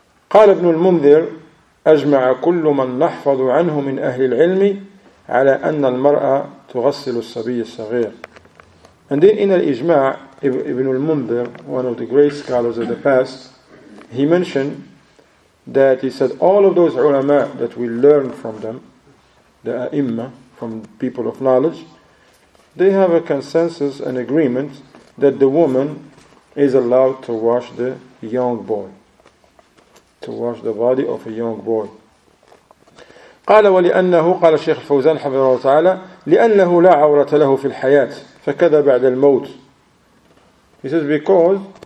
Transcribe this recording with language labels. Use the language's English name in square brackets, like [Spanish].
[Arabic] قال ابن المنذر أجمع كل من نحفظ عنه من أهل العلم على أن المرأة تغسل الصبي الصغير. [English] And then in الإجماع, Ibn al-Munzir, one of the great scholars of the past, he mentioned that he said all of those ulama that we learn from them, the a'imma, from people of knowledge, they have a consensus and agreement that the woman is allowed to wash the young boy, to wash the body of a young boy. [Arabic] قال ولأنه قال الشيخ الفوزان حفظه الله تعالى لأنه لا عورة له في الحياة فكذا بعد الموت. [English] He says because